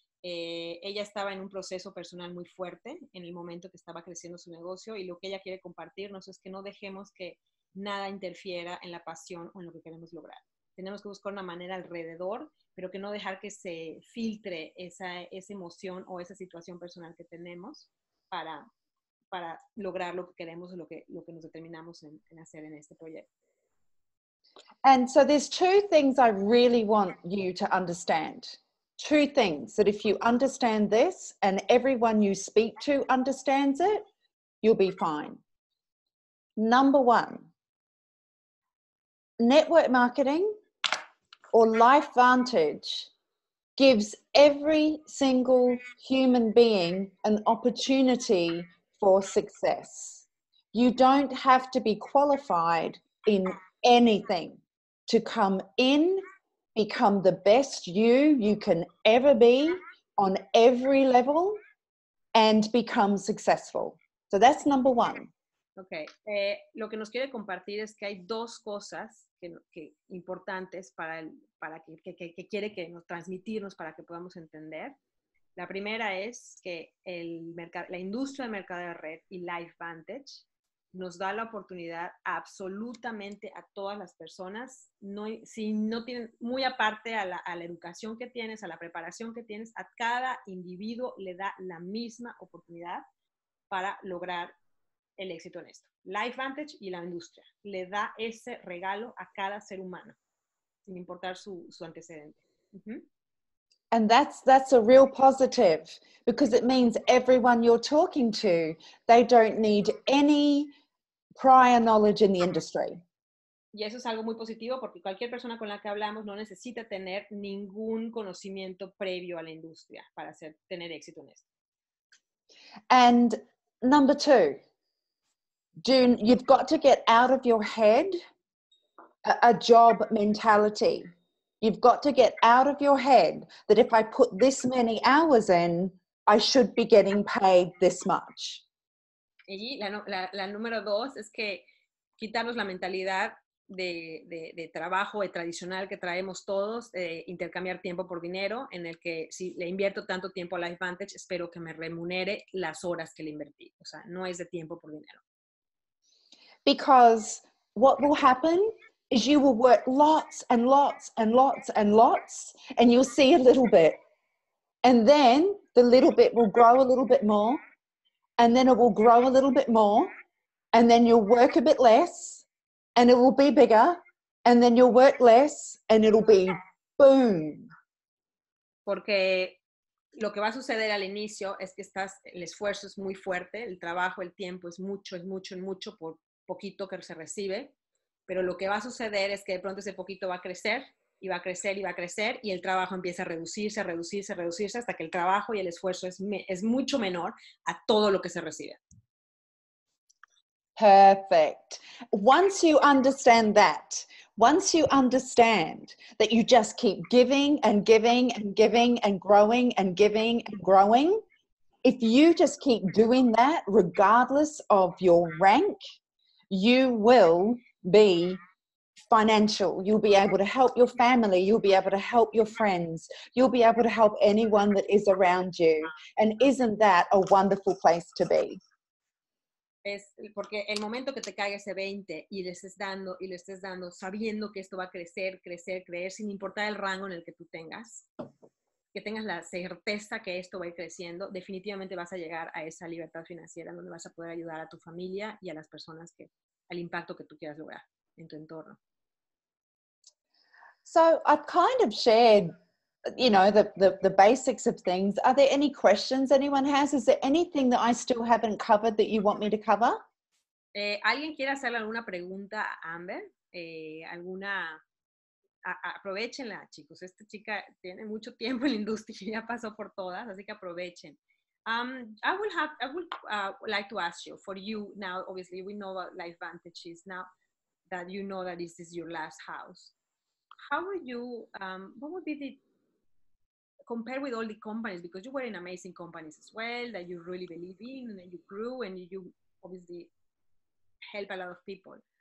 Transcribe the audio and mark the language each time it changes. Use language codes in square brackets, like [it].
[es] Ella estaba en un proceso personal muy fuerte en el momento que estaba creciendo su negocio y lo que ella quiere compartirnos es que no dejemos que nada interfiera en la pasión o en lo que queremos lograr. Tenemos que buscar una manera alrededor, pero que no dejar que se filtre esa emoción o esa situación personal que tenemos para lograr lo que queremos o lo que nos determinamos en hacer en este proyecto. [en] And so there's two things I really want you to understand. Two things that if you understand this and everyone you speak to understands it, you'll be fine. Number one, network marketing or Lifevantage gives every single human being an opportunity for success. You don't have to be qualified in anything to come in, become the best you can ever be on every level and become successful. So that's number one. [es] Okay, lo que nos quiere compartir es que hay dos cosas que importantes para que quiere que nos transmitirnos para que podamos entender. La primera es que la industria de mercado de red y Lifevantage nos da la oportunidad absolutamente a todas las personas, no, si no tienen, muy aparte a la educación que tienes, a la preparación que tienes, a cada individuo le da la misma oportunidad para lograr el éxito en esto. Lifevantage y la industria le da ese regalo a cada ser humano, sin importar su, su antecedente. [en] And that's a real positive, because it means everyone you're talking to, they don't need any prior knowledge in the industry. [es] Y eso es algo muy positivo, porque cualquier persona con la que hablamos no necesita tener ningún conocimiento previo a la industria para hacer, tener éxito en esto. [en] And number two, you've got to get out of your head a job mentality. You've got to get out of your head that if I put this many hours in, I should be getting paid this much. [es] Y la número dos es que quitarnos la mentalidad de trabajo tradicional que traemos todos, intercambiar tiempo por dinero, en el que si le invierto tanto tiempo a Lifevantage, espero que me remunere las horas que le invertí. O sea, no es de tiempo por dinero. [en] Because what will happen is you will work lots and lots and lots and lots, and you'll see a little bit. And then the little bit will grow a little bit more, and then it will grow a little bit more, and then you'll work a bit less, and it will be bigger, and then you'll work less, and it'll be boom. [es] Porque lo que va a suceder al inicio es que estás, el esfuerzo es muy fuerte, el trabajo, el tiempo es mucho, mucho por poquito que se recibe. Pero lo que va a suceder es que de pronto ese poquito va a crecer, y va a crecer, y va a crecer, y el trabajo empieza a reducirse, a reducirse, a reducirse, hasta que el trabajo y el esfuerzo es mucho menor a todo lo que se recibe. [en] Perfect. Once you understand that, once you understand that you just keep giving and giving and giving and growing and giving and growing, if you just keep doing that regardless of your rank, you will be financial. You'll be able to help your family. You'll be able to help your friends. You'll be able to help anyone that is around you. And isn't that a wonderful place to be? [es] Es porque el momento que te caiga ese 20 y le estés dando y le estés dando, sabiendo que esto va a crecer, crecer, creer, sin importar el rango en el que tú tengas, que tengas la certeza que esto va a ir creciendo, definitivamente vas a llegar a esa libertad financiera donde vas a poder ayudar a tu familia y a las personas que, al impacto que tú quieras lograr en tu entorno. [en] So I've kind of shared, you know, the basics of things. Are there any questions anyone has? Is there anything that I still haven't covered that you want me to cover? [es] ¿Alguien quiere hacerle alguna pregunta a Amber? ¿Alguna? Aprovechenla, chicos. Esta chica tiene mucho tiempo en la industria y ya pasó por todas, así que aprovechen. [en] I would like to ask you, for you now, obviously we know what Lifevantage is now, that you know that this is your last house. How would you, what would be the, compare with all the companies, because you were in amazing companies as well, that you really believe in, and you grew, and you obviously help a lot of people.